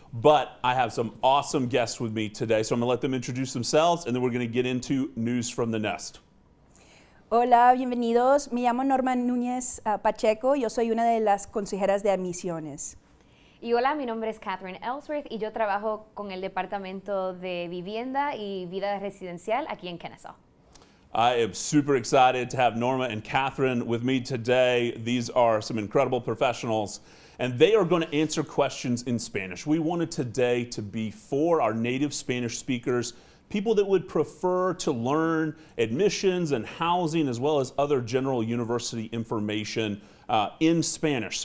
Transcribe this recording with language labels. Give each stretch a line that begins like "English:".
English: But I have some awesome guests with me today. So I'm going to let them introduce themselves, and then we're going to get into news from the nest.
Spanish: Hola, bienvenidos. Me llamo Norma Núñez Pacheco. Yo soy una de las consejeras de admisiones. Y hola, mi nombre es Catherine Ellsworth y yo trabajo con el Departamento de Vivienda y Vida Residencial aquí en Kennesaw.
English: I am super excited to have Norma and Catherine with me today. These are some incredible professionals, and they are going to answer questions in Spanish. We wanted today to be for our native Spanish speakers, people that would prefer to learn admissions and housing as well as other general university information in Spanish.